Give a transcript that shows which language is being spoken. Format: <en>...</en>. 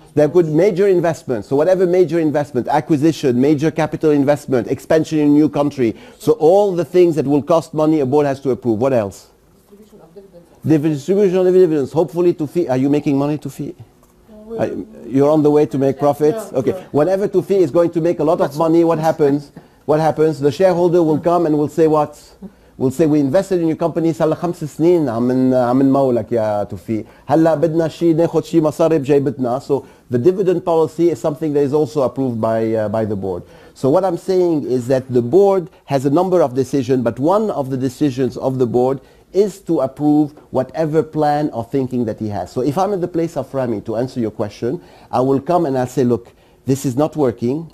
<en>There could be major investments, so whatever major investment, acquisition, major capital investment, expansion in a new country, so all the things that will cost money a board has to approve. What else? Distribution of dividends. Hopefully Tufi, are you making money, Tufi? You're on the way to make profits? Okay, whenever Tufi is going to make a lot of money, what happens? What happens? The shareholder will come and will say what? We'll say we invested in your company</en> <ar>صار لها خمس سنين عم نمولك يا توفي هلا بدنا شيء ناخذ شيء مصاري بجيبتنا.</ar> <en>So the dividend policy is something that is also approved by the board. So what I'm saying is that the board has a number of decisions, but one of the decisions of the board is to approve whatever plan or thinking that he has. So if I'm in the place of Rami, to answer your question, I will come and I'll say, look, this is not working.</en>